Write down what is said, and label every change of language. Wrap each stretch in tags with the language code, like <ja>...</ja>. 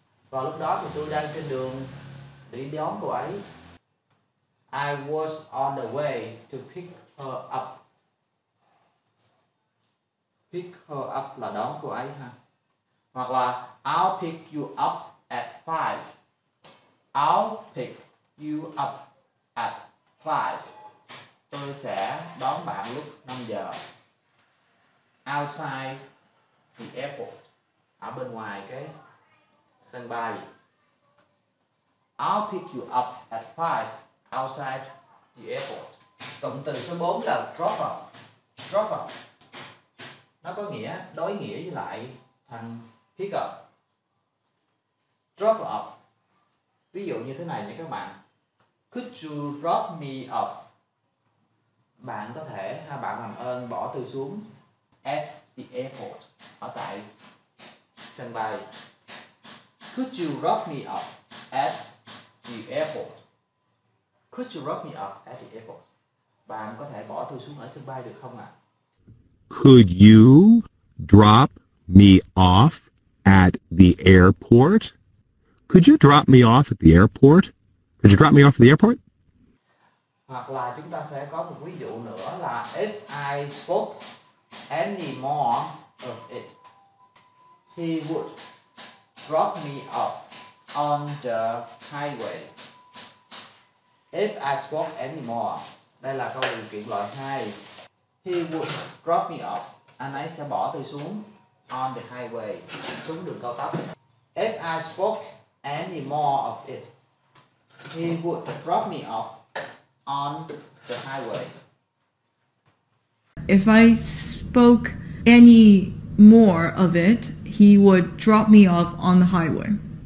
<vi>Và lúc đó thì tôi đang trên đường để đón cô ấy.</vi> <en>I was on the way to pick her up.</en> <vi>Pick her up là đón cô ấy ha. Hoặc là</vi> <en>I'll pick you up at 5. I'll pick you up at 5.</en> <vi>Tôi sẽ đón bạn lúc 5 giờ.</vi> <en>Outside the airport.</en> <vi>Ở bên ngoài cái sân bay.</vi> <en>I'll pick you up at 5 outside the airport.</en> <vi>Cụm từ số 4 là drop off. Drop off. Nó có nghĩa đối nghĩa với lại thằng pick up. Drop off. Ví dụ như thế này nha các bạn.</vi> <en>Could you drop me off?</en> <vi>Bạn có thể ha, bạn làm ơn bỏ tôi xuống</vi> <en>at the airport,</en> <vi>ở tại sân bay.</vi> <en>Could you drop me off at the airport? Could you drop me off at the airport?</en> <vi>Bạn có thể bỏ tôi xuống ở sân bay được không ạ?</vi> <en>Could you drop me off at the airport? Could you drop me off at the airport? Could you drop me off at the airport?</en> <vi>Hoặc là chúng ta sẽ có một ví dụ nữa là</vi> <en>if I spoke any more of it, he would drop me off on the highway. If I spoke any more,</en> <vi>đây là câu điều kiện loại 2.</vi> <en>He would drop me off.</en> <vi>Anh ấy sẽ bỏ tôi xuống</vi> <en>on the highway,</en> <vi>xuống đường cao tốc.</vi> <en>If I spoke any more of it, he would drop me off on the highway. If I spoke any more of it, he would drop me off on the highway.</en>